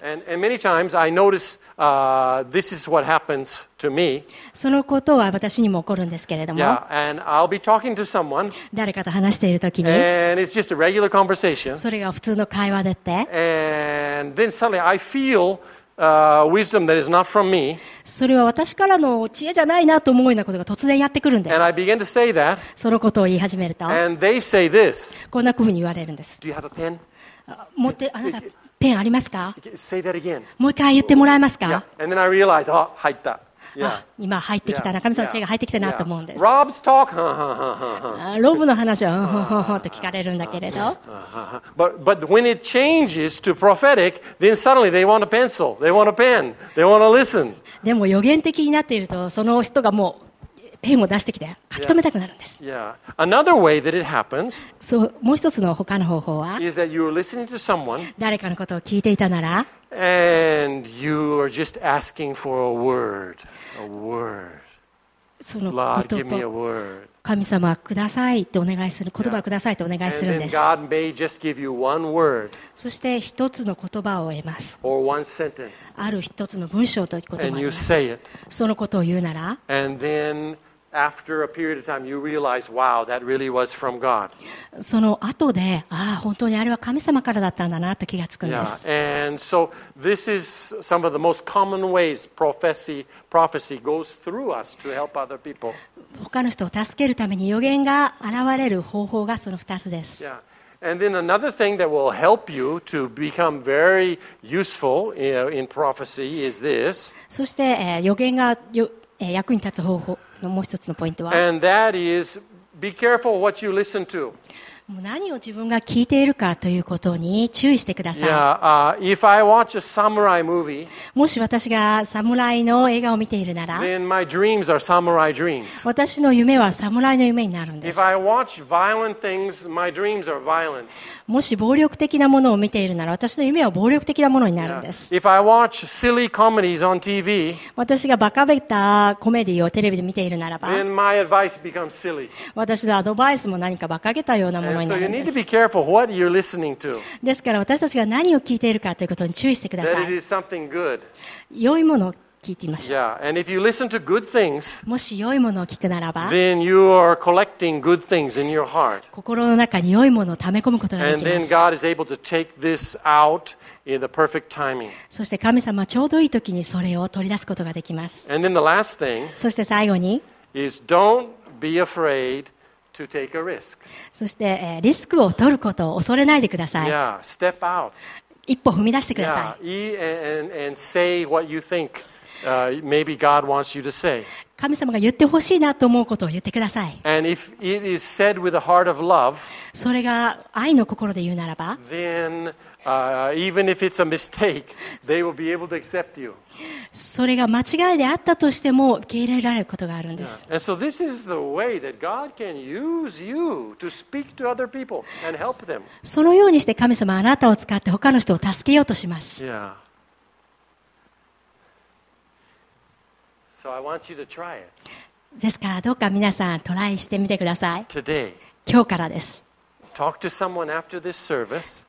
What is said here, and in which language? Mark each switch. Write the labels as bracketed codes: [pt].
[en] Yeah. And many times I notice, this is what happens to me. [ja] そのことは私にも起こるんですけれども。 [en] Yeah. And I'll be talking to someone. [ja] 誰かと話しているときに。 [en] And it's just a regular conversation. [ja] それが普通の会話でって。 [en] And then suddenly I feel,wisdom that is not from me. [ja] それは私からの知恵じゃないなと思うようなことが突然やってくるんです。 [en] And I begin to say that. [ja] そのことを言い始めると。 [en] And they say this. [ja] こんなふうに言われるんです。 [en] Do you have a pen? [ja] 持って、あなたペンありますか? [en] Say that again. [ja] もう一回言ってもらえますか? [en] Yeah. And then I realize, oh, [ja] 入った。 Yeah. 今入ってきたな。神様の知恵が入ってきたなと思うんです。 [en] Rob's talk. [ja] ロブの話は、と聞かれるんだけれど。 [en] But when it changes to prophetic, then suddenly they want a pencil. They want a pen. They want to listen. [ja] でも予言的になっていると、その人がもうペンを出してきて書き留めたくなるんです。 [en] Another way that it happens. [ja] そう、もう一つの他の方法は、 [en] is that you're listening to someone. [ja] 誰かのことを聞いていたなら、 [en] And you are just asking for a word, a word. Lord, give me a word. [ja] 神様くださいとお願いする言葉をくださいとお願いするんです。 [en] And God may just give you one word. [ja] そして一つの言葉を得ます。 [en] Or one sentence. [ja] ある一つの文章ということもあります。 [en] And you say it. [ja] そのことを言うなら。 [en] And then after a period of time, you realize, wow, that really was from God. [ja] その後で、ああ、本当にあれは神様からだったんだなと気がつくんです。 [en] Yeah. And so this is some of the most common ways prophecy goes through us to help other people. [ja] 他の人を助けるために予言が現れる方法がその2つです。 [en] Yeah. And then another thing that will help you to become very useful in prophecy is this. [ja] そして、予言が役に立つ方法。もう一つのポイントは、 [en] And that is, be careful what you listen to. [ja] 何を自分が聞いているかということに注意してください。 [en] Yeah, if I watch a samurai movie, [ja] もし私がサムライの映画を見ているなら、 [en] then my dreams are samurai dreams. [ja] 私の夢はサムライの夢になるんです。 [en] If I watch violent things, my dreams are violent. [ja] もし暴力的なものを見ているなら、私の夢は暴力的なものになるんです。 [en] Yeah. If I watch silly comedies on TV, [ja] 私がバカべたコメディをテレビで見ているならば、 [en] then my advice becomes silly. [ja] 私のアドバイスも何かバカげたようなもの [en] So you need to be careful what you're listening to. [ja] ですから私たちが何を聞いているかということに注意してください。 [en] That it is something good. [ja] 良いものを聞いてみましょう。 [en] Yeah, and if you listen to good things, [ja] もし良いものを聞くならば、 [en] then you are collecting good things in your heart. [ja] 心の中に良いものを溜め込むことができます。 [en] And then God is able to take this out in the perfect timing. [ja] そして神様はちょうどいい時にそれを取り出すことができます。 [en] And then the last thing, [ja] そして最後に、 [en] is don't be afraid to take a risk. [ja] そしてリスクを取ることを恐れないでください。 [en] yeah, step out. [ja] 一歩踏み出してください。 [en] yeah, and say what you think, maybe God wants you to say. [ja] 神様が言ってほしいなと思うことを言ってください。 [en] and if it is said with a heart of love, [ja] それが愛の心で言うならば、 [en] then, even if it's a mistake, they will be able to accept you. [ja] それが間違いであったとしても受け入れられることがあるんです。 [en] And so this is the way that God can use you to speak to other people and help them. [ja] そのようにして神様はあなたを使って他の人を助けようとします。 [en] So I want you to try it. [ja] ですからどうか皆さんトライしてみてください。 [en] Today. [ja] 今日からです。 [en] Talk to someone after this service.